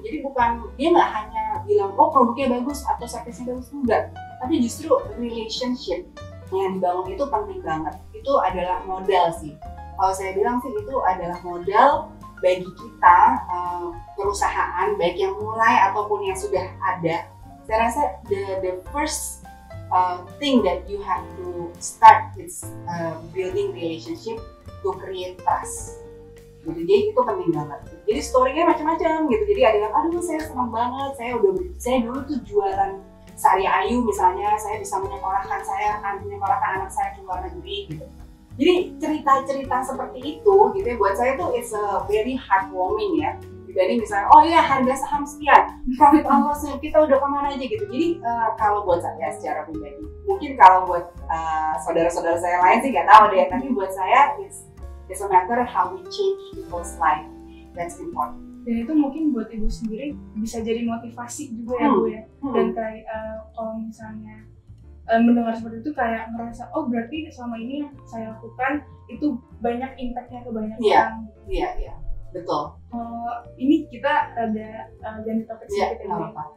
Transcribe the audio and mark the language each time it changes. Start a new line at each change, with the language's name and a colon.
Indonesian: Jadi bukan dia nggak hanya bilang oh produknya bagus atau servisnya bagus, enggak. Tapi justru relationship yang dibangun itu penting banget. Itu adalah modal sih. Kalau saya bilang sih itu adalah modal bagi kita, perusahaan, baik yang mulai ataupun yang sudah ada. Saya rasa
English: the first thing that you have to start is building relationship to create trust.
Indonesian: Gitu. Jadi itu penting banget. Jadi story-nya macam-macam gitu. Jadi ada yang, aduh saya senang banget, saya dulu tuh jualan Sari Ayu misalnya, saya bisa menyekolahkan anak saya ke luar negeri gitu. Jadi cerita-cerita seperti itu gitu ya, buat saya tuh
English: it's a very heartwarming
Indonesian: ya. Jadi misalnya, oh iya harga saham sekian,
English: profit on loss
Indonesian: kita udah kemana aja gitu. Jadi kalau buat saya secara pribadi, mungkin kalau buat saudara-saudara saya lain sih gak tahu deh. Tapi buat saya
English: it's a matter how we change people's life, that's important.
Indonesian: Dan itu mungkin buat ibu sendiri bisa jadi motivasi juga ya bu ya. Dan kalau misalnya mendengar seperti itu kayak ngerasa oh berarti selama ini yang saya lakukan itu banyak impactnya ke banyak orang. Iya, betul. Ini kita ada ganti topik sedikit ya.